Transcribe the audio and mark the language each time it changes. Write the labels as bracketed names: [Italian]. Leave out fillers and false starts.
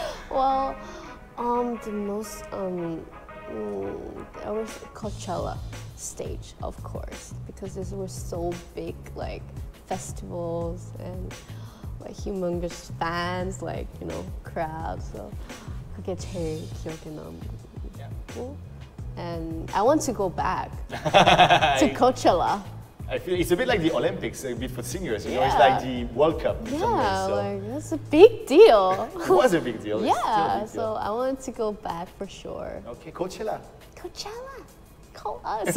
[English] Well, the most there was Coachella stage, of course, because this was so big, like festivals and like humongous fans, like you know, crowds. [Korean] So, 그게 제일 기억에 남고. [English] And I want to go back to Coachella. I feel it's a bit like the Olympics, a bit for seniors, you know, it's like the World Cup. Yeah, way, so. Like, that's a big deal. It was a big deal. Yeah, big deal. So I wanted to go back for sure. Okay, Coachella. Coachella, call us.